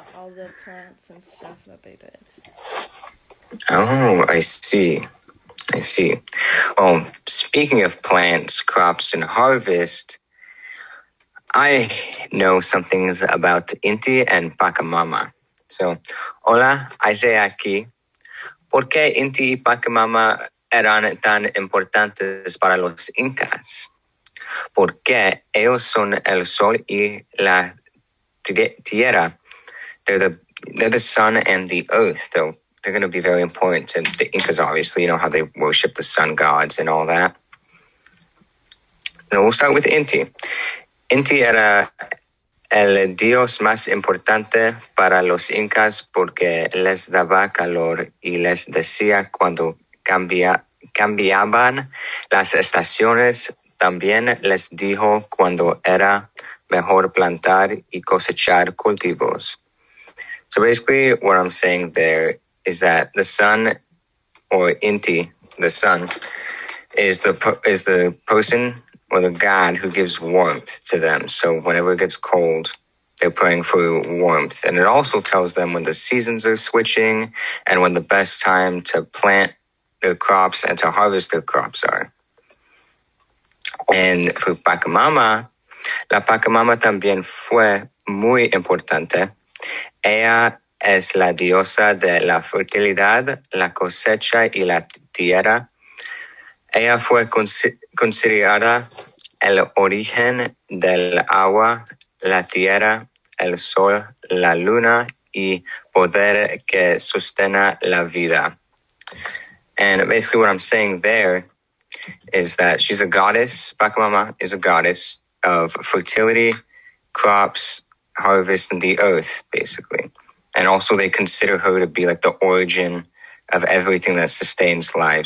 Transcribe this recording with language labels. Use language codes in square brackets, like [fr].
[en] All the plants and stuff that they did. Oh, I see. I see. Well, speaking of plants, crops, and harvest, I know some things about Inti and Pachamama. [es] So, hola, Isaiah aquí. ¿Por qué Inti y Pachamama eran tan importantes para los Incas? Porque ellos son el sol y la tierra. [en] They're the sun and the earth. They're going to be very important. And the Incas, obviously, you know how they worship the sun gods and all that. So we'll start with Inti. [es] Inti era el dios más importante para los Incas porque les daba calor y les decía cuando cambiaban las estaciones. También les dijo cuando era mejor plantar y cosechar cultivos. [en] So basically what I'm saying there is that the sun, or Inti, the sun, is the person or the god who gives warmth to them. So whenever it gets cold, they're praying for warmth. And it also tells them when the seasons are switching and when the best time to plant their crops and to harvest their crops are. And for [es] Pachamama, la Pachamama también fue muy importante. Ella es la diosa de la fertilidad, la cosecha y la tierra. Ella fue considerada el origen del agua, la tierra, el sol, la luna, y poder que sostenga la vida. [en] And basically what I'm saying there is that she's a goddess. Pachamama is a goddess of fertility, crops, harvest, and the earth, basically. And also they consider her to be like the origin of everything that sustains life.